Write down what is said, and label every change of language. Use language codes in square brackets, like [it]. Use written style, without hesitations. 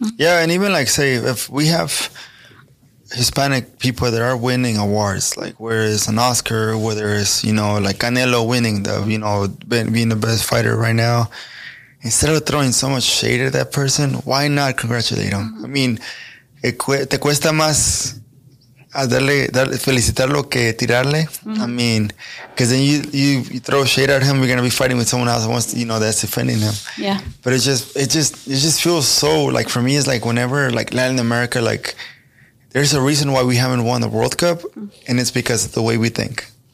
[en] Yeah, and even like, say, if we have Hispanic people that are winning awards, like whether it's an Oscar, whether it's, you know, like Canelo winning the, you know, being the best fighter right now, instead of throwing so much shade at that person, why not congratulate him? I mean, [es] te cuesta más felicitarlo que tirarle. [en] I mean, because then you throw shade at him, you're gonna be fighting with someone else once, you know, that's defending him. Yeah. But it just feels so, like, for me, it's like whenever, like, Latin America, like, there's a reason why we haven't won the World Cup, and it's because of the way we think.